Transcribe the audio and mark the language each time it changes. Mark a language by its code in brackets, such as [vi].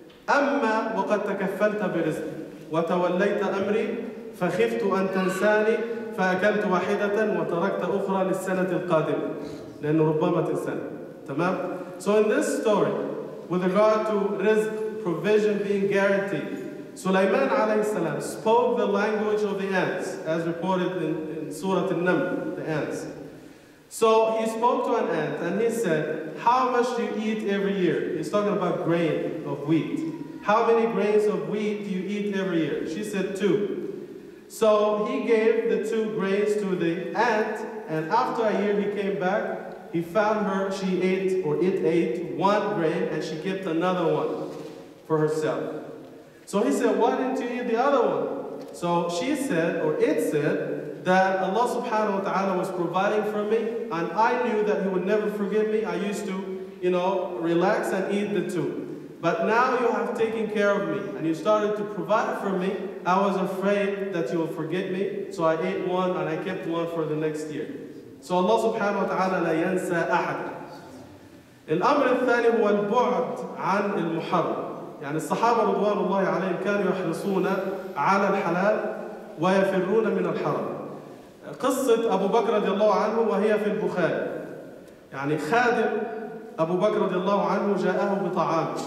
[ar] أما وقد تكفلت برزق وتوليت أمري فخفت أن تنساني فأكلت واحدة وتركت أخرى للسنة القادمة لأنه ربما تنساني تمام؟ [en] So in this story with regard to risk provision being guaranteed سليمان [ar] عليه السلام [en] spoke the language of the ants as reported in سورة النمل the ants So he spoke to an ant and he said how much do you eat every year? He's talking about grain of wheat How many grains of wheat do you eat every year? She said two So he gave the two grains to the ant, and after a year he came back, he found her, it ate one grain, and she kept another one for herself. So he said, why didn't you eat the other one? So she said, or it said, that Allah subhanahu wa ta'ala was providing for me, and I knew that He would never forgive me. I used to, you know, relax and eat the two. But now you have taken care of me, and you started to provide for me, I was afraid that you will forget me, so I ate one and I kept one for the next year. So Allah subhanahu wa ta'ala [ar] لا ينسى أحد. الأمر الثاني هو البعد عن المحرم. يعني الصحابة رضوان الله عليهم كانوا يحرصون على الحلال ويفرون من الحرام. قصة أبو بكر رضي الله عنه وهي في البخاري. يعني خادم أبو بكر رضي الله عنه جاءه بطعام.